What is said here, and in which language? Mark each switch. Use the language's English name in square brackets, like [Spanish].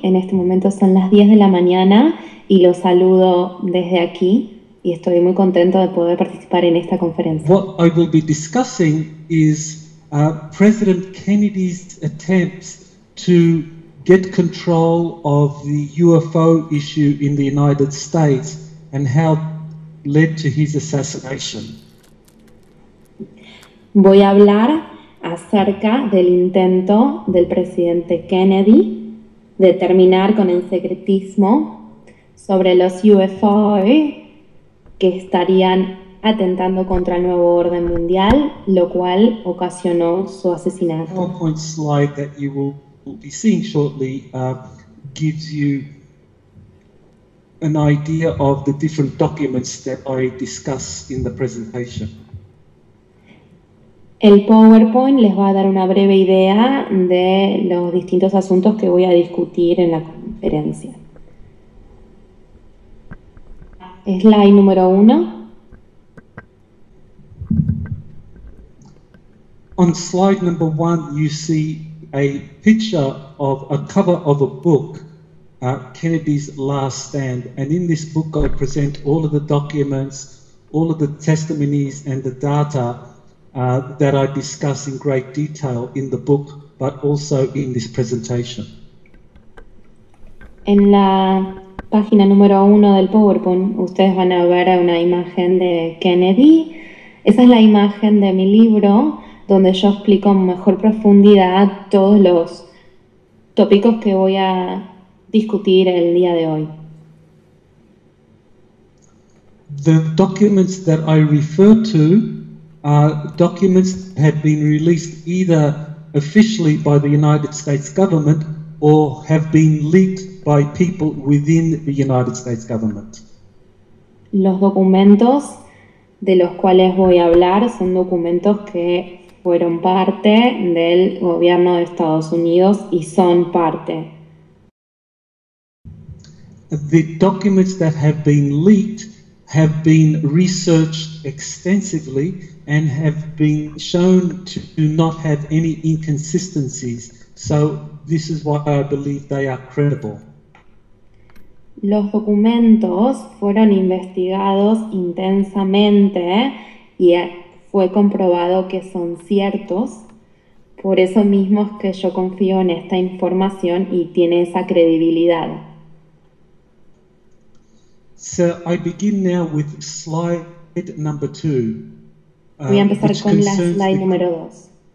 [Spanish] En este momento son las 10 de la mañana y los saludo desde aquí. Y estoy muy contento de poder participar en esta conferencia. [English] What I will be discussing is President Kennedy's attempts to get control of the UFO issue in the United States and how led to his assassination. [Spanish] Voy a hablar acerca del intento del presidente Kennedy de terminar con el secretismo sobre los UFO que estarían atentando contra el nuevo orden mundial, lo cual ocasionó su asesinato. [English] The PowerPoint slide that you will be seeing shortly gives you an idea of the different documents that I discuss in the presentation. [Spanish] El PowerPoint les va a dar una breve idea de los distintos asuntos que voy a discutir en la conferencia. Slide número uno. [English] On slide number one, you see a picture of a cover of a book, Kennedy's Last Stand. And in this book, I present all of the documents, all of the testimonies and the data that I discuss in great detail in the book, but also in this presentation. [Spanish] En la página número uno del PowerPoint, ustedes van a ver una imagen de Kennedy. Esa es la imagen de mi libro, donde yo explico en mejor profundidad todos los tópicos que voy a discutir el día de hoy. [English] The documents that I refer to are documents that have been released either officially by the United States government or have been leaked by people within the United States government. [Spanish] Los documentos de los cuales voy a hablar son documentos que fueron parte del gobierno de Estados Unidos y son parte. [English] The documents that have been leaked have been researched extensively and have been shown to not have any inconsistencies. So this is why I believe they are credible. [Spanish] Los documentos fueron investigados intensamente y fue comprobado que son ciertos. Por eso mismo es que yo confío en esta información y tiene esa credibilidad. [English] So I begin now with slide number two. [Spanish] Voy a empezar con la slide número dos.